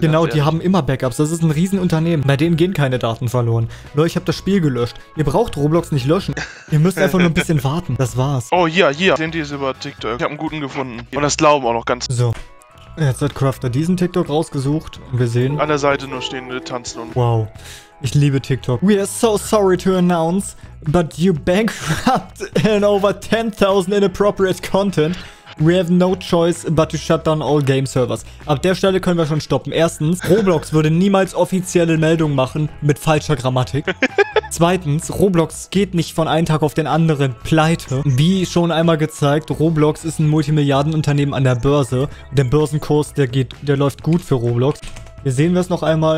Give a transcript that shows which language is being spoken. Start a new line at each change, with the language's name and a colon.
German: Genau, die haben immer Backups. Das ist ein Riesenunternehmen. Bei denen gehen keine Daten verloren. Leute, ich habe das Spiel gelöscht. Ihr braucht Roblox nicht löschen. Ihr müsst einfach nur ein bisschen warten. Das war's. Oh, hier. Sind die es über TikTok? Ich habe einen guten gefunden. Und das glauben auch noch ganz. So. Jetzt hat Crafter diesen TikTok rausgesucht. Und wir sehen. An der Seite nur stehen wir tanzen und. Wow. Ich liebe TikTok.
English: We are so sorry to announce, but you bankrupt in over 10,000 inappropriate content. We have no choice but to shut down all game servers.
German: Ab der Stelle können wir schon stoppen. Erstens, Roblox würde niemals offizielle Meldungen machen mit falscher Grammatik. Zweitens, Roblox geht nicht von einem Tag auf den anderen pleite. Wie schon einmal gezeigt, Roblox ist ein Multimilliardenunternehmen an der Börse. Der Börsenkurs, der läuft gut für Roblox. Hier sehen wir es noch einmal.